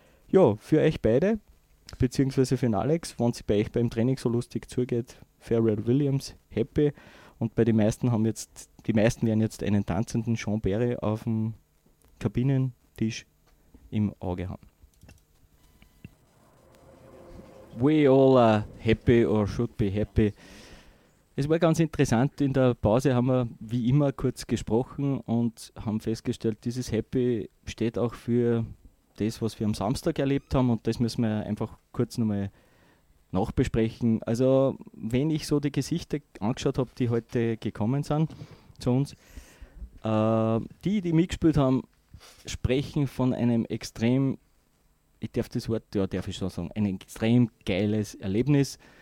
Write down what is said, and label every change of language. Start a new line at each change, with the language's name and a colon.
German: Ja, für euch beide. Beziehungsweise für den Alex, wenn es bei euch beim Training so lustig zugeht, Pharrell Williams, happy. Und bei den meisten haben jetzt, die meisten werden jetzt einen tanzenden Sean Berry auf dem Kabinentisch im Auge haben.
English: We all are happy or should be happy.
German: Es war ganz interessant, in der Pause haben wir wie immer kurz gesprochen und haben festgestellt, dieses Happy steht auch für das, was wir am Samstag erlebt haben, und das müssen wir einfach kurz nochmal nachbesprechen. Also, wenn ich so die Gesichter angeschaut habe, die heute gekommen sind zu uns, die mitgespielt haben, sprechen von einem extrem, ich darf das Wort, ja, darf ich schon sagen, ein extrem geiles Erlebnis.